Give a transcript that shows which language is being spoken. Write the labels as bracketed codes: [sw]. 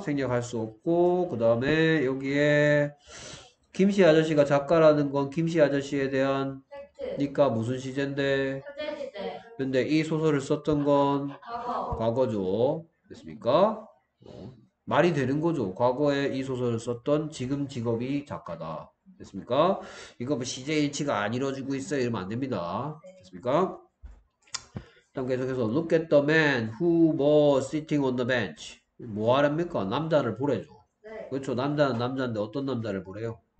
[ko] 생략할 수 없고, 그 다음에 여기에 김씨 아저씨가 작가라는 건 김씨 아저씨에 대한 니까 무슨 시제인데, 근데 이 소설을 썼던 건 과거죠. 됐습니까? 말이 되는 거죠. 과거에 이 소설을 썼던 지금 직업이 작가다. 됐습니까? 이거 뭐 시제 일치가 안 이루어지고 있어요. 이러면 안 됩니다. 됐습니까? 다음 계속해서 [en] Look at the man who was sitting on the bench. [ko] 뭐 하랍니까? 남자를 보래죠. 그렇죠. 남자는 남자인데 어떤 남자를 보래요?